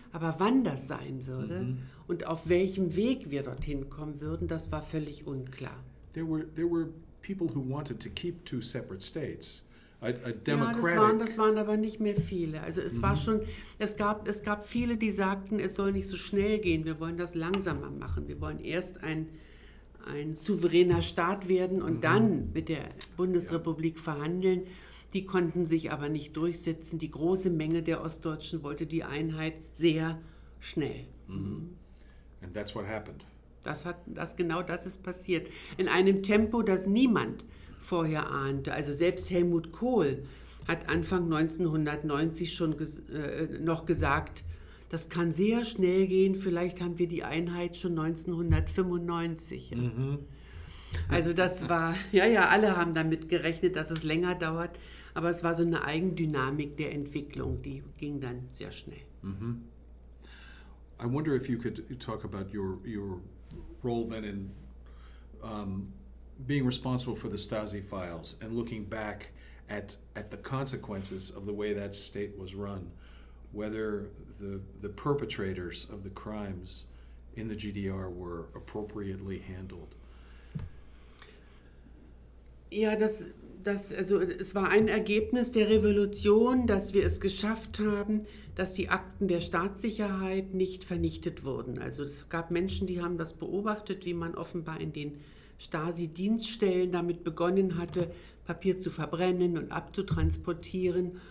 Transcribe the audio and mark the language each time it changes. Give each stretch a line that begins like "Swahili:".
German: Aber wann das sein würde und auf welchem Weg wir dorthin kommen würden, das war völlig unklar.
English: There were people who wanted to keep two separate states.
German: Ja, das waren aber nicht mehr viele. Also es war schon, es gab viele, die sagten, es soll nicht so schnell gehen, wir wollen das langsamer machen. Wir wollen erst ein souveräner Staat werden und dann mit der Bundesrepublik verhandeln. Die konnten sich aber nicht durchsetzen. Die große Menge der Ostdeutschen wollte die Einheit sehr schnell.
English: And that's what happened.
German: Genau das ist passiert. In einem Tempo, das niemand vorher ahnte. Also selbst Helmut Kohl hat Anfang 1990 schon noch gesagt, das kann sehr schnell gehen, vielleicht haben wir die Einheit schon 1995. Also das war, alle haben damit gerechnet, dass es länger dauert, aber es war so eine Eigendynamik der Entwicklung, die ging dann sehr schnell.
English: I wonder if you could talk about your role then in being responsible for the Stasi files and looking back at the consequences of the way that state was run, whether the perpetrators of the crimes in the GDR were appropriately handled.
German: Ja, also es war ein Ergebnis der Revolution, dass wir es geschafft haben, dass die Akten der Staatssicherheit nicht vernichtet wurden. Also es gab Menschen, die haben das beobachtet, wie man offenbar in den Stasi-Dienststellen damit begonnen hatte, Papier zu verbrennen und abzutransportieren.